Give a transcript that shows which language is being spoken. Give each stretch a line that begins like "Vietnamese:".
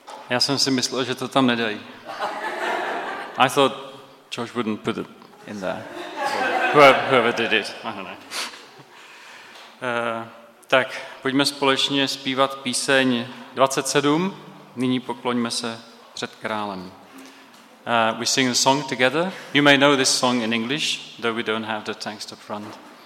Czech: Já jsem si myslel, že to tam nedají.
English: I thought Josh wouldn't put it in there. Whoever did it, I don't know.
Czech: Tak pojďme společně zpívat píseň 27. Nyní pokloňme se před králem.
English: We sing the song together. You may know this song in English, though we don't have the text up front.